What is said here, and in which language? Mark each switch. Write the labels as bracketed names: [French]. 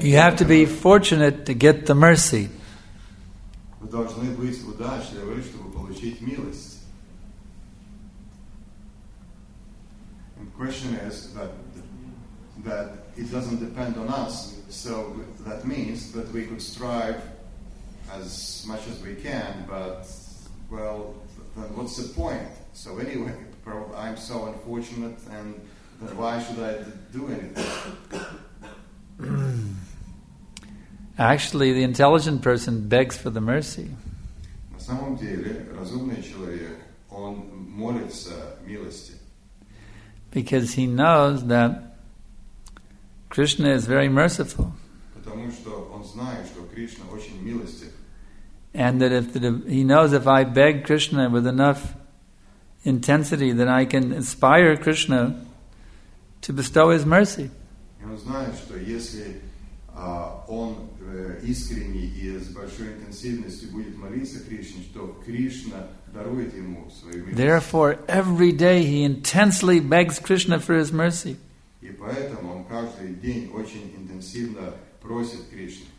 [English] You have to be fortunate to get the mercy. [Russian] Вы должны быть удачливы, чтобы получить милость. [English] And the question is that that it doesn't depend on us. So that means that we could strive as much as we can, but, well, then what's the point? So anyway, I'm so unfortunate, and then why should I do anything? Actually, the intelligent person begs for the mercy. [Russian] На самом деле, разумный человек, он молится милости. [English] Because he knows that Krishna is very merciful. [Russian] Потому что он знает, что Кришна очень милостив. [English] And that if he knows if I beg Krishna with enough intensity, then I can inspire Krishna to bestow his mercy. [Russian] И он знает, что если он искренне и с большой интенсивностью будет молиться Кришне, что Кришна дарует ему свою милость. [English] Therefore, every day he intensely begs Krishna for his mercy. [Russian] И поэтому он каждый день очень интенсивно просит Кришну.